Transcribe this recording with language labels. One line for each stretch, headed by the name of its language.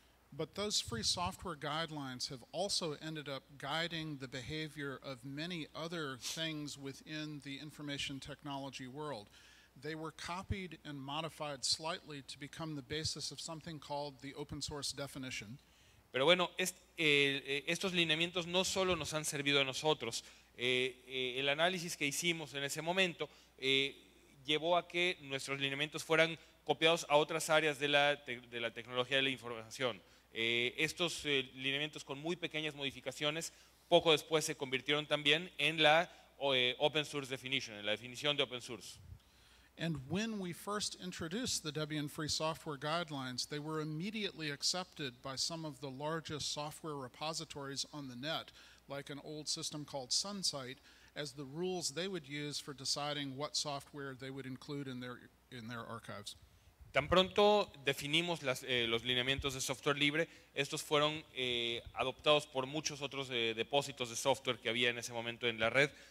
English: But those free software guidelines have also ended up guiding the behavior of many other things within the information technology world. They were copied and modified slightly to become the basis of something called the open source definition.
Spanish: Pero bueno, estos lineamientos no solo nos han servido a nosotros. El análisis que hicimos en ese momento llevó a que nuestros lineamientos fueran copiados a otras áreas de la tecnología de la información. Estos lineamientos con muy pequeñas modificaciones poco después se convirtieron también en la open source definition, en la definición de open source.
English: And when we first introduced the Debian Free Software Guidelines, they were immediately accepted by some of the largest software repositories on the net, like an old system called SunSight, as the rules they would use for deciding what software they would include in their archives.
Spanish: Tan pronto definimos los lineamientos de software libre, estos fueron adoptados por muchos otros depósitos de software que había en ese momento en la red.